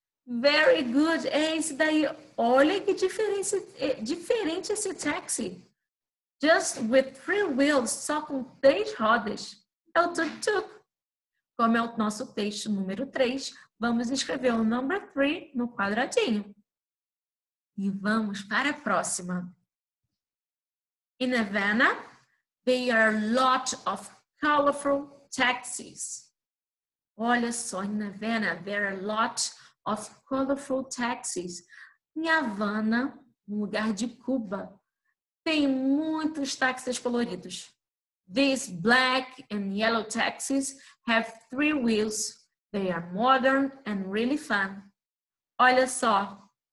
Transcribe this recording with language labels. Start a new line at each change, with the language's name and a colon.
English: Very good!
Portuguese: É esse daí. Olha que diferente esse táxi.
English: Just with 3 wheels,
Portuguese: só com 3 rodas. É o tuk-tuk. Como é o nosso texto número 3, vamos escrever o
English: number 3
Portuguese: no quadradinho. E vamos para a próxima.
English: In Havana, there are lots of colorful taxis.
Portuguese: Olha só,
English: in Havana, there are lots of colorful taxis.
Portuguese: Em Havana, no lugar de Cuba, tem muitos táxis coloridos.
English: These black and yellow taxis have 3 wheels. They are modern and really fun.
Portuguese: Olha só.